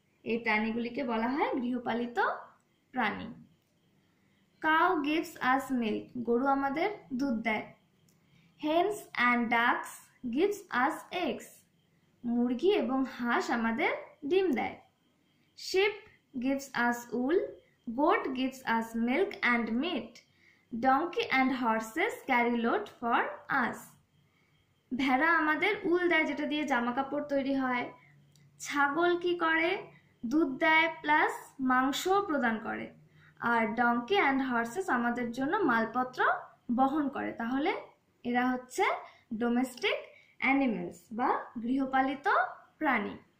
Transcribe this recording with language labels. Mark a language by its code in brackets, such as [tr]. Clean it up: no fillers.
[bn] এই প্রাণীগুলিকে বলা হয় গৃহপালিত প্রাণী. [en] cow gives us milk, [bn] গরু আমাদের দুধ দেয়. [en] hens and ducks gives us eggs, [bn] মুরগি এবং হাঁস আমাদের ডিম দেয়. [en] Sheep gives us wool, goat gives us milk and meat, donkey and horses carry load for us. [bn] ভেড়া আমাদের উল দেয় যেটা দিয়ে জামা কাপড় তৈরি হয়। ছাগল কি করে? দুধ দেয় প্লাস মাংস প্রদান করে। আর [en] donkey and horses [bn] আমাদের জন্য মালপত্র বহন করে। তাহলে এরা হচ্ছে domestic animals বা গৃহপালিত প্রাণী।